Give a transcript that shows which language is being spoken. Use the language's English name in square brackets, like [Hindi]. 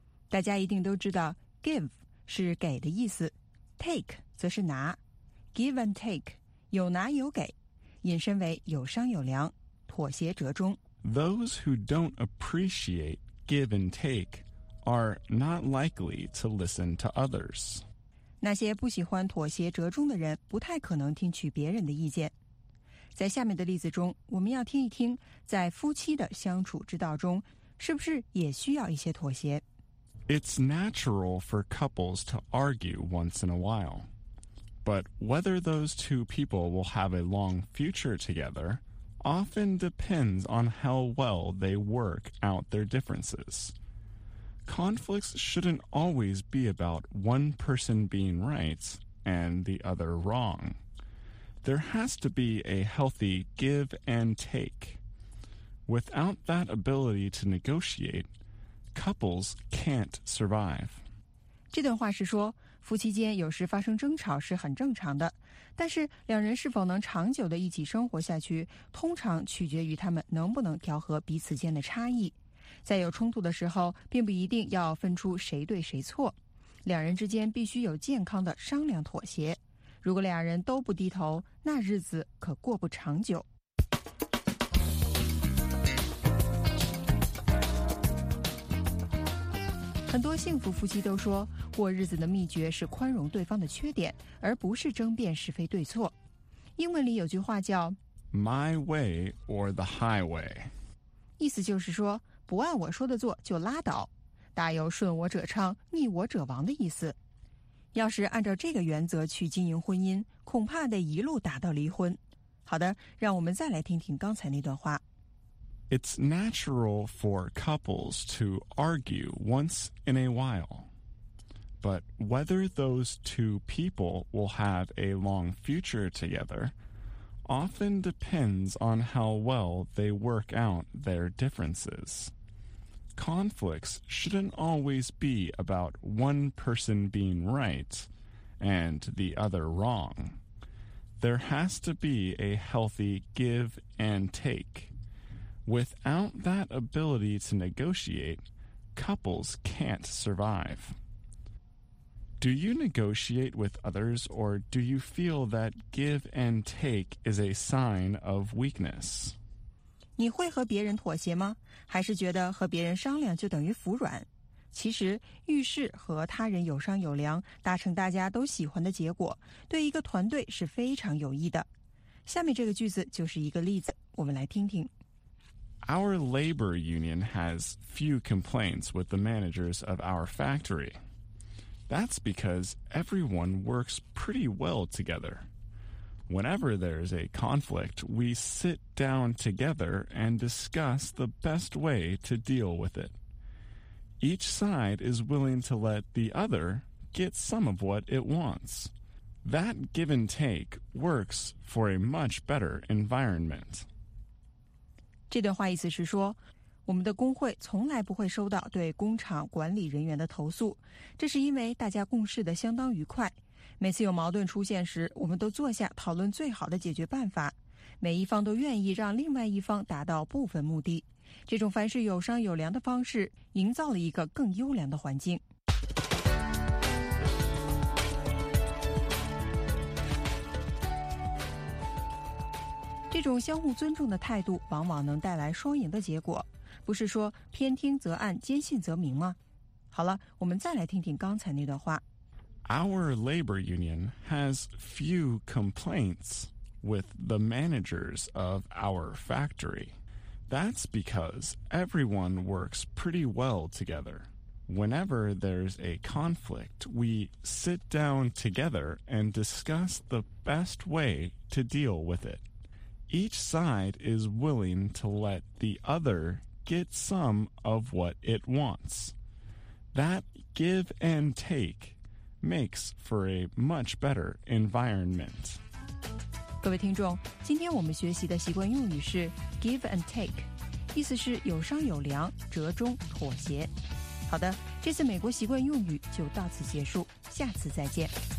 [Chinese] 大家一定都知道 give 是给的意思 take 则是拿 [English] Give and take, [Chinese] 有拿有给引申为有商有量妥协折中 [English] Those who don't appreciate give and take are not likely to listen to others. [Chinese] 那些不喜欢妥协折中的人不太可能听取别人的意见在下面的例子中我们要听一听在夫妻的相处之道中是不是也需要一些妥协 [English] It's natural for couples to argue once in a while. But whether those two people will have a long future together often depends on how well they work out their differences. Conflicts shouldn't always be about one person being right and the other wrong. There has to be a healthy give and take. Without that ability to negotiate, couples can't survive. [Chinese] 这段话是说，夫妻间有时发生争吵是很正常的，但是两人是否能长久地一起生活下去，通常取决于他们能不能调和彼此间的差异。在有冲突的时候，并不一定要分出谁对谁错，两人之间必须有健康的商量妥协。如果两人都不低头，那日子可过不长久。很多幸福夫妻都说，过日子的秘诀是宽容对方的缺点，而不是争辩是非对错。英文里有句话叫 [English] My way or the highway， [Chinese] 意思就是说，不按我说的做就拉倒，大有顺我者昌，逆我者亡的意思。要是按照这个原则去经营婚姻，恐怕得一路打到离婚。好的，让我们再来听听刚才那段话。 [English] It's natural for couples to argue once in a while. But whether those two people will have a long future together often depends on how well they work out their differences. Conflicts shouldn't always be about one person being right and the other wrong. There has to be a healthy give and take. Without that ability to negotiate, couples can't survive. Do you negotiate with others, or do you feel that give and take is a sign of weakness? [Chinese] 你会和别人妥协吗？还是觉得和别人商量就等于服软？其实，遇事和他人有商有量，达成大家都喜欢的结果，对一个团队是非常有益的。下面这个句子就是一个例子，我们来听听。 [English] Our labor union has few complaints with the managers of our factory. That's because everyone works pretty well together. Whenever there's a conflict, we sit down together and discuss the best way to deal with it. Each side is willing to let the other get some of what it wants. That give and take works for a much better environment. [Chinese] 这段话意思是说，我们的工会从来不会收到对工厂管理人员的投诉，这是因为大家共事的相当愉快。每次有矛盾出现时，我们都坐下讨论最好的解决办法，每一方都愿意让另外一方达到部分目的。这种凡事有商有量的方式，营造了一个更优良的环境。这种相互尊重的态度往往能带来双赢的结果，不是说偏听则暗，坚信则明吗？好了，我们再来听听刚才那段话。 [English] Our labor union has few complaints with the managers of our factory. That's because everyone works pretty well together. Whenever there's a conflict, we sit down together and discuss the best way to deal with it. Each side is willing to let the other get some of what it wants. That give and take makes for a much better environment. [Chinese] 各位听众，今天我们学习的习惯用语是 [English] give and take， [Chinese] 意思是有商有量，折中妥协。好的，这次美国习惯用语就到此结束，下次再见。